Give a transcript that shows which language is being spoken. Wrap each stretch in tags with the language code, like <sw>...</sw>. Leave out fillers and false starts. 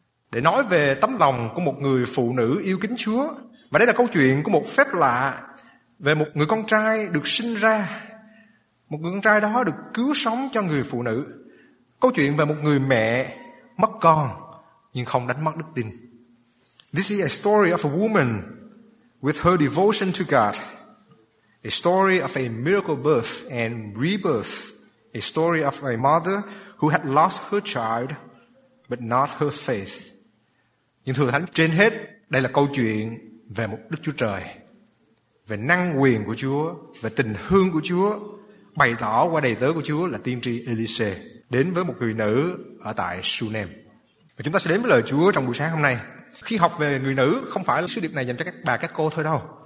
<vi>Để nói về tấm lòng của một người phụ nữ yêu kính Chúa. Và đây là câu chuyện của một phép lạ về một người con trai được sinh ra. Một người con trai đó được cứu sống cho người phụ nữ. Câu chuyện về một người mẹ mất con nhưng không đánh mất đức tin.</vi> <en>This is a story of a woman with her devotion to God. A story of a miracle birth and rebirth. A story of a mother who had lost her child but not her faith.</en> <vi>Nhưng thưa Thánh, trên hết, đây là câu chuyện về một Đức Chúa Trời, về năng quyền của Chúa, về tình thương của Chúa, bày tỏ qua đầy tớ của Chúa là tiên tri Elise đến với một người nữ ở tại Shunem. Và chúng ta sẽ đến với lời Chúa trong buổi sáng hôm nay. Khi học về người nữ, không phải là sứ điệp này dành cho các bà, các cô thôi đâu.</vi>